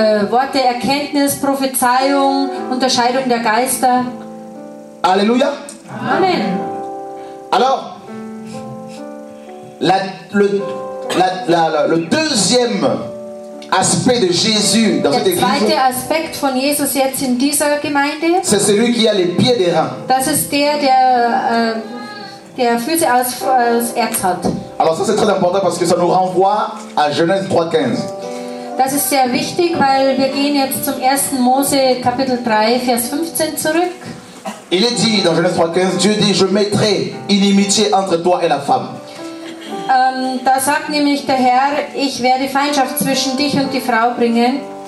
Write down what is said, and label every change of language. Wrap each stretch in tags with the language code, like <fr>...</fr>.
<de>Worte, Erkenntnis, Prophezeiung, Unterscheidung der Geister.</de> <fr>Alléluia. Amen. Alors, le deuxième aspect de Jésus dans cette église.</fr> <de>Der zweite Aspekt von Jesus jetzt in dieser Gemeinde.</de> <fr>C'est celui qui a les pieds d'airain.</fr> <de>Das ist der Füße aus Erz hat.</de> <fr>Alors ça c'est très important parce que ça nous renvoie à Genèse 3:15.</fr> <de>Das ist sehr wichtig, weil wir gehen jetzt zum 1. Mose Kapitel 3 Vers 15 zurück.</de> <fr>Il est dit dans Genèse 3:15, Dieu dit, je mettrai inimitié entre toi et la femme.</fr> <de>Da sagt nämlich der Herr, ich werde Feindschaft zwischen dich und die Frau bringen.</de>